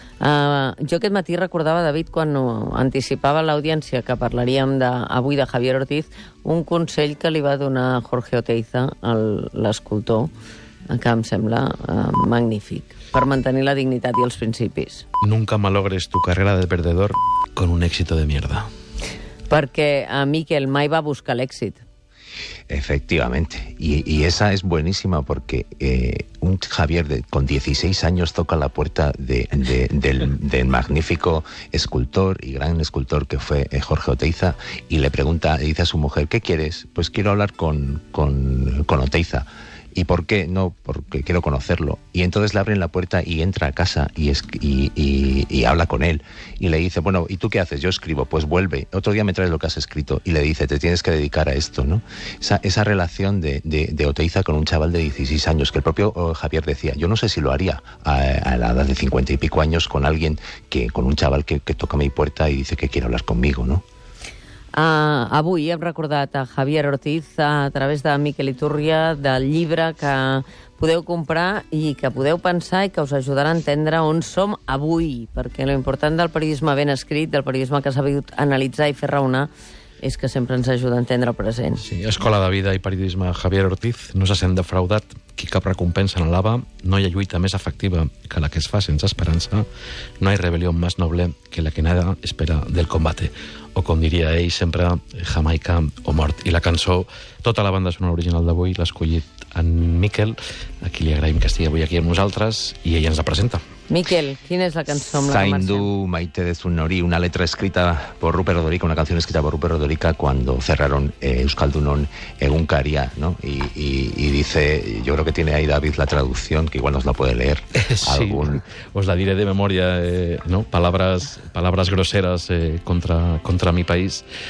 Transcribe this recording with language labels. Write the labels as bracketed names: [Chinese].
[Catalan] Jo aquest matí recordava, David, quan anticipava l'audiència que parlaríem avui de Javier Ortiz, un consell que li va donar Jorge Oteiza, l'escultor, que em sembla magnífic, per mantenir la dignitat i els principis. [Spanish] Nunca malogres tu carrera de perdedor con un éxito de mierda. [Catalan] Perquè a Miquel mai va buscar l'èxit. [Spanish] Efectivamente, y esa es buenísima, porque un Javier con 16 años toca la puerta del magnífico escultor y gran escultor que fue Jorge Oteiza, y le pregunta, y dice a su mujer: ¿qué quieres? Pues quiero hablar con Oteiza. ¿Y por qué? No, porque quiero conocerlo. Y entonces le abren la puerta y entra a casa y habla con él. Y le dice: bueno, ¿y tú qué haces? Yo escribo. Pues vuelve, otro día me traes lo que has escrito. Y le dice: te tienes que dedicar a esto, ¿no? Esa relación de Oteiza con un chaval de 16 años, que el propio Javier decía: yo no sé si lo haría a la edad de 50 y pico años con alguien, que con un chaval que toca mi puerta y dice que quiere hablar conmigo, ¿no? [Catalan] Avui hem recordat a Javier Ortiz a través de Miquel Iturria, del llibre que podeu comprar i que podeu pensar i que us ajudarà a entendre on som avui, perquè l'important del periodisme ben escrit, del periodisme que s'ha sabut analitzar i fer raonar, és que sempre ens ajuda a entendre el present. Sí, Escola de Vida i Periodisme Javier Ortiz. No se sent defraudat qui cap recompensa en l'ava. No hi ha lluita més efectiva que la que es fa sense esperança. No hi ha rebel·lió més noble que la que [Spanish] nada espera del combate. [Catalan] O com diria ell sempre, Jamaica o mort. I la cançó, tota la banda sonora original d'avui, l'ha escollit en Miquel, a qui li agraïm que estigui avui aquí amb nosaltres, i ell ens la presenta. Miquel, quina és la cançó amb la que marxem? [Spanish] Maite de Zunori, una letra escrita por Ruper Rodorica, una canción escrita por Ruper Rodorica cuando cerraron Euskaldunon Egunkaria, ¿no? Y dice, yo creo que tiene ahí David la traducción, que igual nos la puede leer. Sí, algún... os la diré de memoria, ¿no? Palabras groseras contra mi país.